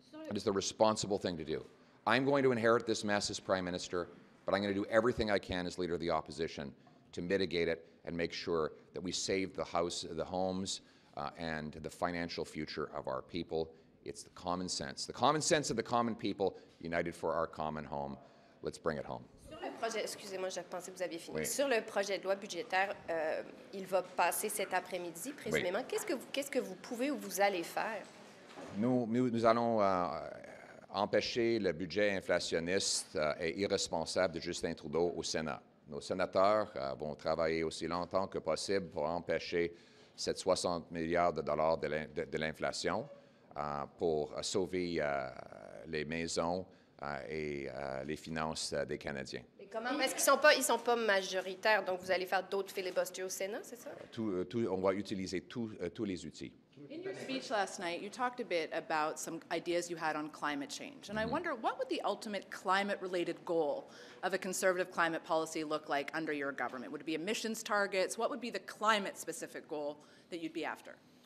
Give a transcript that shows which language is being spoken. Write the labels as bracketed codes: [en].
[en] It is the responsible thing to do. I'm going to inherit this mess as Prime Minister, but I'm going to do everything I can as Leader of the Opposition to mitigate it and make sure that we save the house, the homes, and the financial future of our people. It's the common sense. The common sense of the common people united for our common home. Let's bring it home. [fr] Excusez-moi, je pensais que vous aviez fini. Oui. Sur le projet de loi budgétaire, il va passer cet après-midi, présumément. Oui. Qu'est-ce que vous pouvez ou vous allez faire? Nous allons empêcher le budget inflationniste et irresponsable de Justin Trudeau au Sénat. Nos sénateurs vont travailler aussi longtemps que possible pour empêcher cette 60 milliards de dollars de l'inflation pour sauver les maisons et les finances des Canadiens. comment, parce qu'ils sont pas, ils sont pas majoritaires, donc vous allez faire d'autres filibustiers au Sénat, c'est ça? On va utiliser tous les outils. [en] In your speech last night, you talked a bit about some ideas you had on climate change. And I wonder, what would the ultimate climate-related goal of a conservative climate policy look like under your government? Would it be emissions targets? What would be the climate-specific goal that you'd be after?